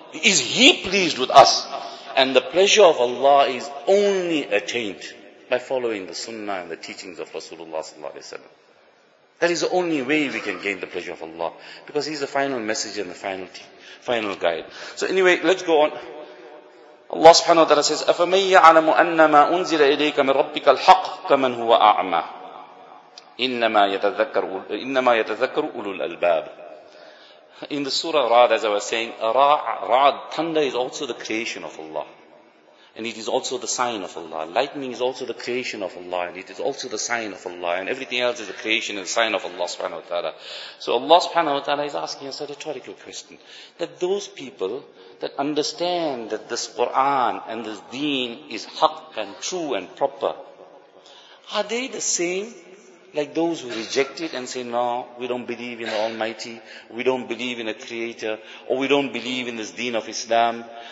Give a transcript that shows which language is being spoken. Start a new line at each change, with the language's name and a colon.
English: Is He pleased with us? And the pleasure of Allah is only attained by following the sunnah and the teachings of Rasulullah sallallahu alaihi wasallam. That is the only way we can gain the pleasure of Allah. Because He's the final messenger and the final guide. So anyway, let's go on. Allah subhanahu wa ta'ala says,
Arabic: أَفَمَنْ يَعْلَمُ أَنَّ مَا أُنزِلَ إِلَيْكَ مِنْ رَبِّكَ الْحَقِّ كَمَنْ هُوَ أَعْمَى إِنَّمَا يَتَذَكَّرُ أُولُو الْأَلْبَابِ.
English: In the surah Ra'd, as I was saying, Ra'd, thunder is also the creation of Allah. And it is also the sign of Allah. Lightning is also the creation of Allah. And it is also the sign of Allah. And everything else is a creation and sign of Allah subhanahu wa ta'ala. So Allah subhanahu wa ta'ala is asking us a rhetorical question. That those people that understand that this Quran and this deen is haq and true and proper, are they the same like those who reject it and say, no, we don't believe in the Almighty, we don't believe in a creator, or we don't believe in this deen of Islam?